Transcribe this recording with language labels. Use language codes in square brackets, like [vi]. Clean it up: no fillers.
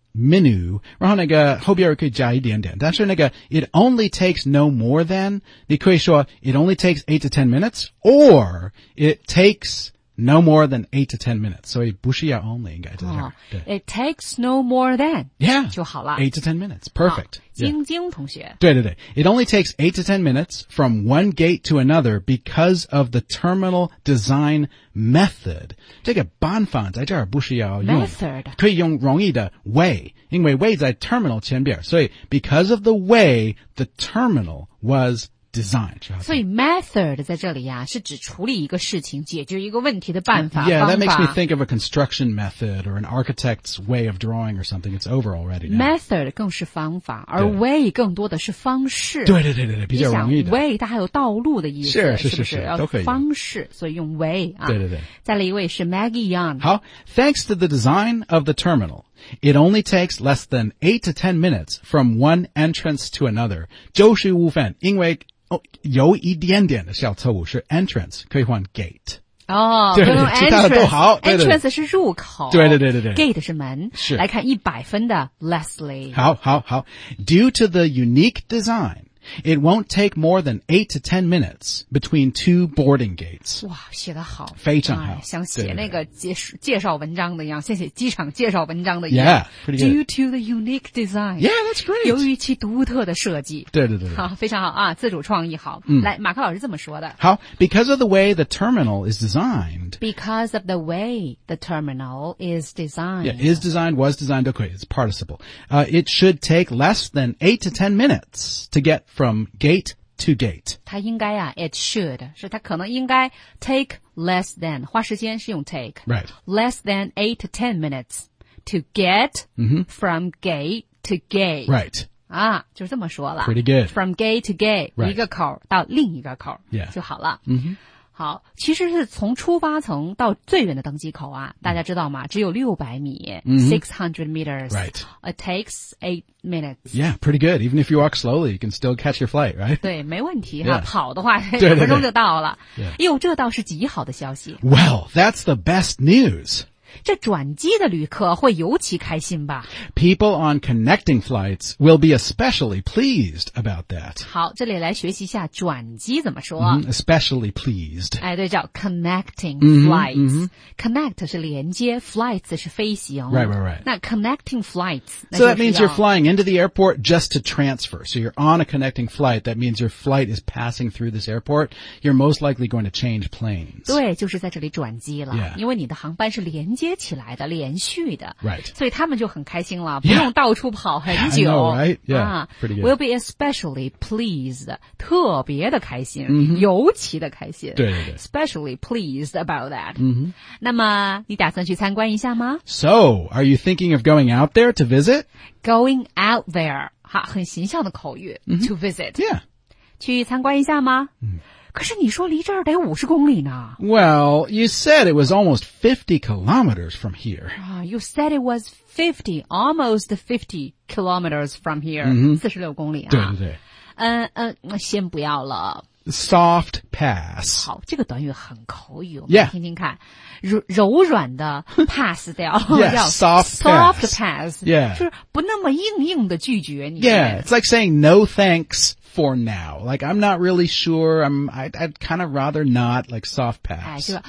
[en] menu, [zh] 然后那个后边可以加一点点，但是那个 [en] it only takes no more than, [zh] 你可以说 [en] it only takes 8 to 10 minutes, or it takes no more than 8 to 10 minutes, [zh] 所以不需要 [en] only [zh] 应该就是这样、 [en] 哦、it takes no more than, yeah, [zh] 就好了 [en] 8 to 10 minutes, perfect. [zh] 晶晶同学。对对对 [en] it only takes 8 to 10 minutes from one gate to another because of the terminal design method. [zh] 这个办法在这儿不需要用 [en] method. [zh] 可以用容易的 [en] way, [zh] 因为 [en] way 在 terminal [zh] 前边所以 [en] because of the way the terminal was design. [zh] 所以 method 在这里啊是指处理一个事情解决一个问题的办法。 [en] Yeah, that makes me think of a construction method or an architect's way of drawing or something. It's over already now. [zh] Method 更是方法而 way 更多的是方式。对对对对比较容易的。 way 它还有道路的意思。是是都可以。方式所以用 way 啊。对对对。再来一位是 Maggie Young。 [en] 好 ,thanks to the design of the terminal. It only takes less than 8 to 10 minutes from one entrance to another. [zh] 95分因为、哦、有一点点的小错误是 entrance, 可以换 gate. 哦对对其他的都好 entrance 是入口对对对对对 gate 是门是来看100分的 Leslie. 好好好 [en] Due to the unique design,It won't take more than 8 to 10 minutes between two boarding gates. [zh] 哇写得好。非常好。哎、像写那个 介绍文章的一样像写机场介绍文章的一样。 [en] Yeah, pretty good. Due to the unique design. Yeah, that's great. [zh] 由于其独特的设计。对对 对。好非常好啊自主创意好。嗯、来马克老师这么说的。 [en] 好 ,because of the way the terminal is designed. Because of the way the terminal is designed. Yeah, is designed, was designed, okay, it's participle.、It should take less than 8 to 10 minutes to get from gate to gate. [zh] 它应该啊 [en] it should, [zh] 是它可能应该 [en] take less than, [zh] 花时间是用 take,、 [en] right. less than 8 to 10 minutes to get、 mm-hmm. from gate to gate. Right. [zh] 啊就这么说了。 [en] Pretty good. From gate to gate,、 right. [zh] 一个口到另一个口、 [en] yeah. [zh] 就好了。 Mm-hmm. 好其实是从出发层到最远的登机口啊大家知道吗只有600米、 mm-hmm. [en] 600 meters. Right. It takes 8 minutes. Yeah, pretty good. Even if you walk slowly, you can still catch your flight, right? [zh] 对没问题、 [en] yeah. [zh] 跑的话两分钟就到了。哟这倒是极好的消息。 [en] Well, that's the best news. [zh] 这转机的旅客会尤其开心吧。 [en] People on connecting flights will be especially pleased about that. [zh] 好这里来学习一下转机怎么说。 [en] Mm-hmm, especially pleased. [zh] 哎对叫 connecting flights. Mm-hmm, mm-hmm. Connect 是连接 flights 是飞行。 [en] Right, right, right. [zh] 那 connecting flights. [en] So that means you're flying into the airport just to transfer. So you're on a connecting flight. That means your flight is passing through this airport. You're most likely going to change planes. [zh] 对就是在这里转机了。 [en] Yeah. [zh] 因为你的航班是连接起来的连续的、 [en] right. [zh] 所以他们就很开心了不用到处跑很久 [en] yeah. I know, right? yeah, pretty good. Will be especially pleased [zh] 特别的开心、 mm-hmm. 尤其的开心对对对 [en] especially pleased about that、 mm-hmm. [zh] 那么你打算去参观一下吗 [en] So, are you thinking of going out there to visit? Going out there [zh] 好很形象的口语、 mm-hmm. [en] To visit、 yeah. [zh] 去参观一下吗、 mm-hmm. 可是你说离这儿得50公里呢。 [en] Well, you said it was almost 50 kilometers from here.、 You said it was 50, almost 50 kilometers from here.、 Mm-hmm. [zh] 46公里啊。对对对。先不要了。 [en] Soft pass. [zh] 好这个短语很口语。 [en] Yeah. [zh] 听听看。柔软的 pass 掉。 [en] yes, soft pass. Soft pass. Yeah. [zh] 就是不那么硬硬的拒绝你。 [en] Yeah, it's like saying no thanks. For now, like I'm not really sure. I'd kind of rather not like soft pass.